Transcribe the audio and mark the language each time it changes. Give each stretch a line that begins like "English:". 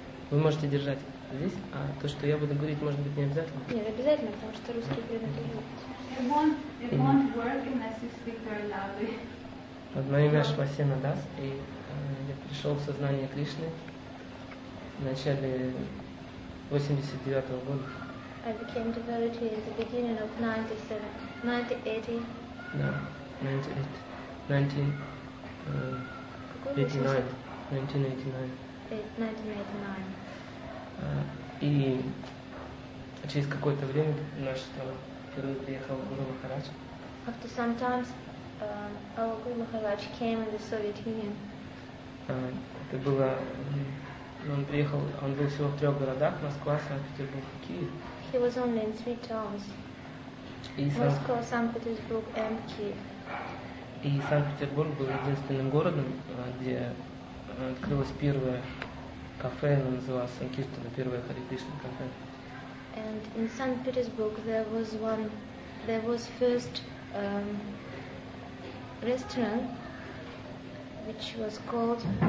Russian: Вы можете держать здесь, а то, что я буду говорить, может быть, не обязательно? Нет, обязательно, потому что русский предназначен.
English: It won't work unless you speak very loudly.
Russian: Вот мое имя Швасена, да? И я пришел в сознание Кришны. В начале 89-го года.
English: I became devotee at the beginning of 1989.
Russian: И через какое-то время наш первый приехал Гуру Махарадж.
English: After some time, our Guru Maharaj came in the Soviet Union.
Russian: Это было. Он приехал, он был всего в трех городах, Москва, Санкт-Петербург, Киев.
English: He was only in three towns. Moscow, St. Petersburg and Kyiv.
Russian: И Санкт-Петербург был единственным городом, где открылось первое кафе, оно называлось Санкиртана, первое Харе Кришна кафе.
English: And in St. Petersburg there was first restaurant, which was called